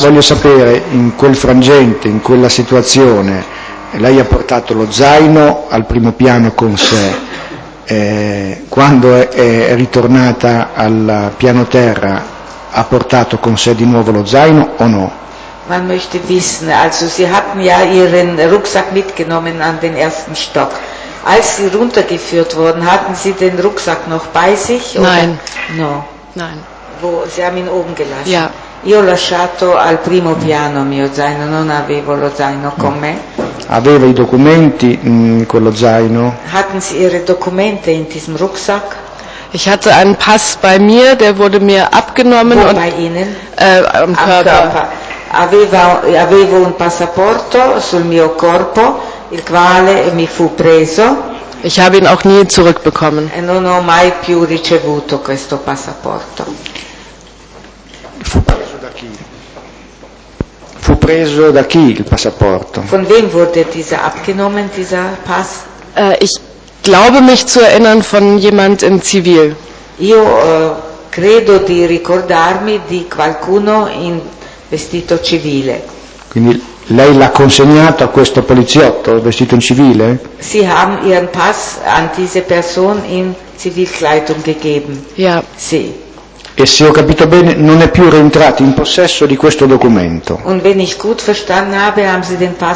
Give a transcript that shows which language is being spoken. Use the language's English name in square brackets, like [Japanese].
[Italian] voglio sapere in quel frangente, in quella situazione, lei ha portato lo zaino al primo piano con sé. Quando è ritornata al piano terra, ha portato con sé di nuovo lo zaino o no? [German] Man möchte wissen, also sie hatten ja ihren Rucksack mitgenommen an den ersten Stock. Als sie runtergeführt wurden, hatten sie den Rucksack noch bei sich? Nein. Oder? [Italian] No. [German] Nein. Wo, sie haben ihn oben gelassen. Ja. [Italian] Io ho lasciato al primo piano mio zaino, non avevo lo zaino con me. Aveva i documenti in quello zaino? [German] Hatten Sie Ihre Dokumente in diesem Rucksack? Ich hatte einen Pass bei mir, der wurde mir abgenommen. Wo, bei Ihnen? Am Körper. [Italian] Avevo un passaporto sul mio corpo, il quale mi fu preso. [German] Ich habe ihn auch nie zurückbekommen. [Italian] E non ho mai più ricevuto questo passaporto. Fu preso da chi? Fu preso da chi il passaporto? [German] Von wem wurde dieser abgenommen, dieser Pass? Ich glaube mich zu erinnern von jemand im Zivil. [Italian] Io credo di ricordarmi di qualcuno in vestito civile. Quindi lei l'ha consegnato a questo poliziotto vestito in civile? [German] Sie haben ihren Pass an diese Person in Zivilkleidung gegeben. Ja. [Italian] Sì. E se ho capito bene, non è più rientrato in possesso di questo documento. [German] Und wenn ich gut verstanden habe, haben Sie den Pass